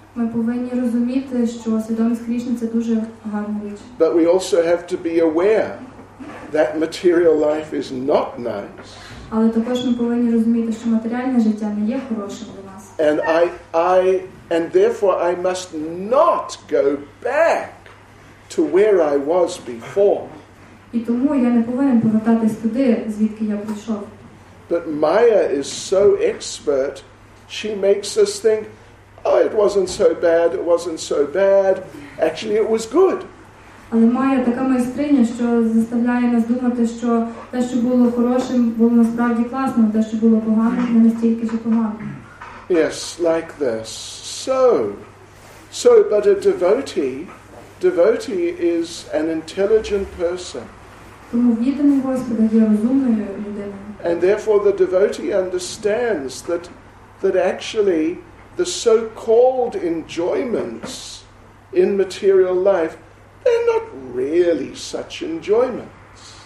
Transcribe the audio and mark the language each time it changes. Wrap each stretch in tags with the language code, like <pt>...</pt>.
<uk>Ми повинні розуміти, що свідомість Кришни це дуже гарна річ.</uk> <en>But we also have to be aware that material life is not nice.</en> <uk>Але також ми повинні розуміти, що матеріальне життя не є хорошим для нас.</uk> <en>And I therefore I must not go back to where I was before.</en> <uk>І тому я не повинен повертатись туди, звідки я прийшов.</uk> <en>But Maya is so expert, she makes us think, oh, it wasn't so bad, it wasn't so bad. Actually, it was good.</en> <uk>Але Maya така майстриня, що заставляє нас думати, що те, що було хорошим, було насправді класно, те, що було поганим, не настільки ж погано.</uk> <en>Yes, like this. So, but a devotee is an intelligent person.</en> <uk>Тому відданий Господа є розумною людиною.</uk> <en>And therefore the devotee understands that actually the so-called enjoyments in material life, they're not really such enjoyments.</en>